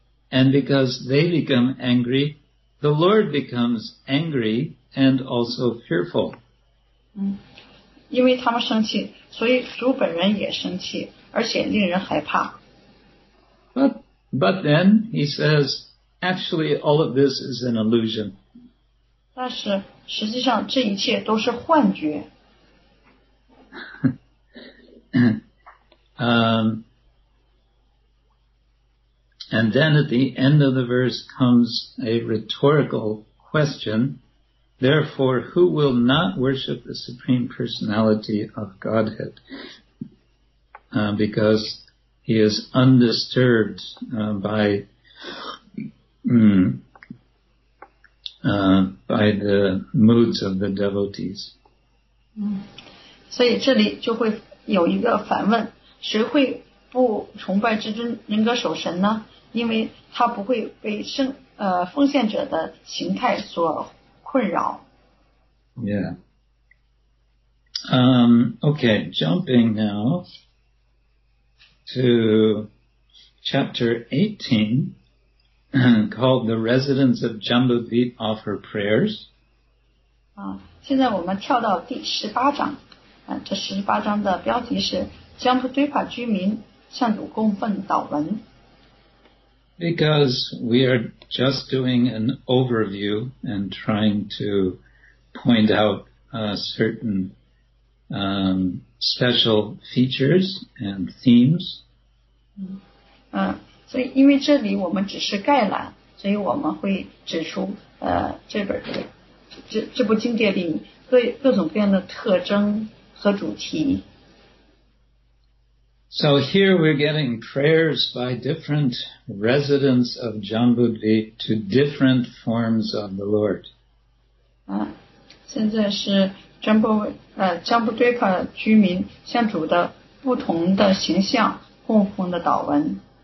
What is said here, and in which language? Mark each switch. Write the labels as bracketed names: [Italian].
[English] And because they become angry, the Lord becomes angry. And also fearful. [Chinese] 因为他们生气，所以主本人也生气，而且令人害怕。 [English] But then he says, actually, all of this is an illusion. [Chinese] 但是实际上这一切都是幻觉。 [English] And then at the end of the verse comes a rhetorical question. Therefore, who will not worship the Supreme Personality of Godhead? Because he is undisturbed by the moods of the devotees. [Chinese] 所以这里就会有一个反问，谁会不崇拜至尊人格守神呢？因为他不会被奉献者的形态所困扰。 [English] Yeah. Okay, jumping now to chapter 18, called The Residents of Jambudvip Offer Prayers. [Chinese] 现在我们跳到第十八章。这十八章的标题是江浦堆法居民向主供奉祷文。 [English] Because we are just doing an overview and trying to point out certain special features and themes. [Chinese] 所以因为这里我们只是概览，所以我们会指出这部经典里各种各样的特征和主题。 [English] So here we're getting prayers by different residents of Jambudvip to different forms of the Lord. [Chinese] 现在是Jambudvipa居民向主的不同的形象供奉的祷文。